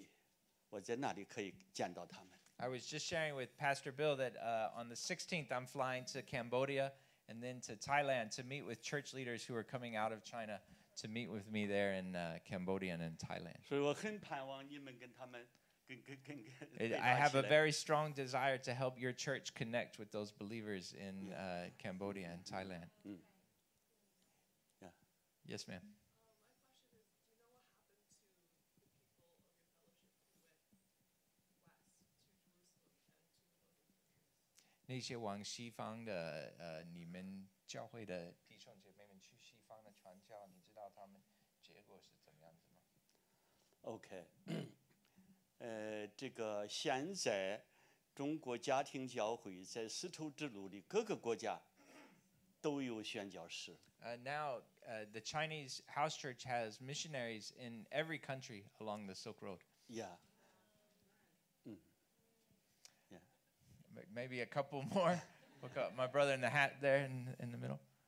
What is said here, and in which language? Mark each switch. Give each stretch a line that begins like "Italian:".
Chinese: 到这个柬埔寨，到泰国，我们中国的弟兄姊妹宣教士在那里，有几场聚会，我在那里可以见到他们。I
English: was just sharing with Pastor Bill that on the 16th I'm flying to Cambodia and then to Thailand to meet with church leaders who are coming out of China to meet with me there in Cambodia and in Thailand.
Chinese: 所以我很盼望你们跟他们。
English: I have a very strong desire to help your church connect with those believers in Cambodia and Thailand. Mm. Yeah. Yes, ma'am. My question is, do you know what happened to the people of your fellowship who went west to Jerusalem and to the Middle East?
Chinese: 那些往西方的你们教会的弟兄姐妹们去西方的传教，你知道他们结果是怎么样子吗？
English: Okay.
Chinese: 这个现在中国家庭教会在丝绸之路的各个国家都有宣教士。
English: Now, the Chinese house church has missionaries in every country along the Silk Road. Yeah. Maybe a couple more. Look up my brother in the hat there in the middle.